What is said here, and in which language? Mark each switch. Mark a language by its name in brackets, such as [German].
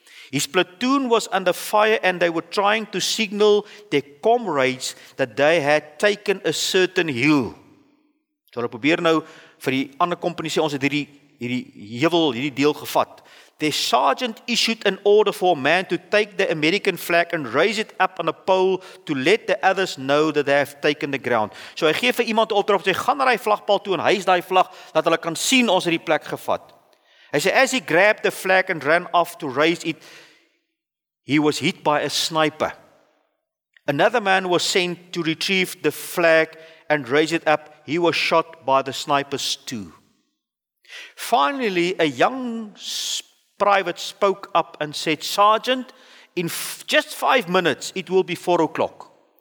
[English] His platoon was under fire and they were trying to signal their comrades that they had taken a certain hill. [Afrikaans] So hulle probeer nou vir die ander kompanie sê, ons het hierdie heuwel, hierdie deel gevat. [English] Their sergeant issued an order for a man to take the American flag and raise it up on a pole to let the others know that they have taken the ground. [Afrikaans] So hy gee vir iemand 'n opdrag, sê, gaan naar die vlagpaal toe en hy is die vlag, dat hulle kan sien ons het die plek gevat. Hy sê, [English] as he grabbed the flag and ran off to raise it, he was hit by a sniper. Another man was sent to retrieve the flag and raise it up. He was shot by the snipers too. Finally, a young private spoke up and said, Sergeant, in just 5 minutes, it will be 4 o'clock.